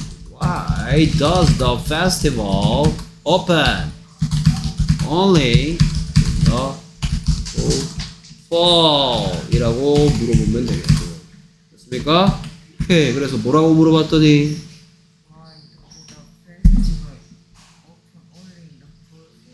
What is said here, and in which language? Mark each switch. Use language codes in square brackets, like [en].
[en] Why does the festival open only in the fall? [ko] 이라고 물어보면 되겠죠. 됐습니까? Okay. 그래서 뭐라고 물어봤더니 [en] Why does the festival open only in the fall?